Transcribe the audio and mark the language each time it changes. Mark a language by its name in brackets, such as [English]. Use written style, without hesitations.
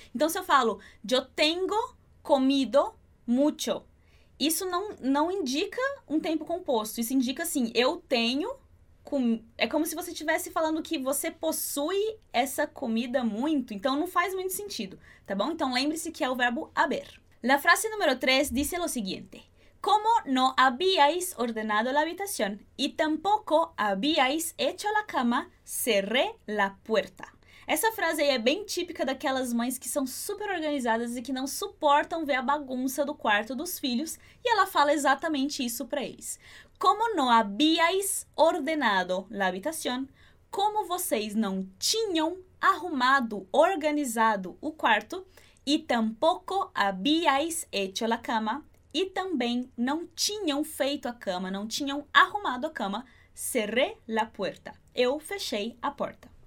[Portuguese] Então se eu falo [Spanish] yo tengo comido mucho, [Portuguese] isso não indica um tempo composto, isso indica assim, eu tenho. É como se você estivesse falando que você possui essa comida muito, então não faz muito sentido, tá bom? Então lembre-se que é o verbo haber. [Spanish] La frase número 3 dice lo siguiente: como no habíais ordenado la habitación y tampoco habíais hecho la cama, cerré la puerta. [Portuguese] Essa frase aí é bem típica daquelas mães que são super organizadas e que não suportam ver a bagunça do quarto dos filhos, e ela fala exatamente isso para eles. [Spanish] Como no habíais ordenado la habitación, [Portuguese] como vocês não tinham arrumado, organizado o quarto, e [Spanish] tampoco habíais hecho la cama, [Portuguese] e também não tinham feito a cama, não tinham arrumado a cama, [Spanish] cerré la puerta. [Portuguese] Eu fechei a porta.